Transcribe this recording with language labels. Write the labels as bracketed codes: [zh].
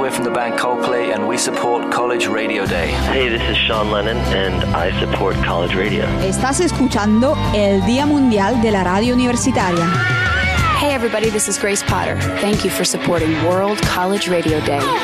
[en] We're from the band Coldplay, and we support College Radio Day. Hey, this is Sean Lennon, and I support College Radio. [es] Estás escuchando el Día Mundial de la Radio Universitaria. [en] Hey, everybody, this is Grace Potter. Thank you for supporting World College Radio Day.